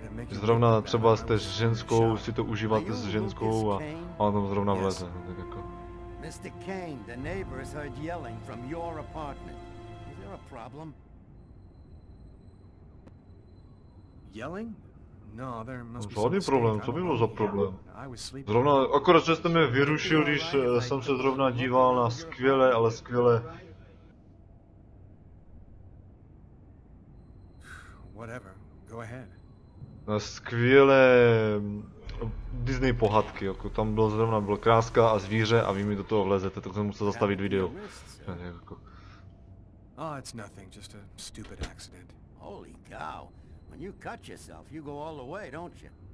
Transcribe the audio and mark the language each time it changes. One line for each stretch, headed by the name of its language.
Czech: Zrovna třeba jste s ženskou, si to užíváte s ženskou a ona tam zrovna vleze, no, tak jako.
English: Mr. Kane, the neighbors heard yelling from your apartment. Is there a problem? Yelling? No, there must be some problem.
Czech: Co by bylo za problém? Zrovna, akorát že jste mě vyrušil, když jsem se zrovna díval na skvělé, ale skvělé.
English: Whatever. Go ahead.
Czech: Na skvělé Disney pohádky, jako tam bylo zrovna byl kráska a zvíře a vy mi do toho vlezete, tak jsem musel zastavit video.
English: Oh, it's nothing, just a stupid accident. Holy cow. When you cut yourself, you go all the way, don't you?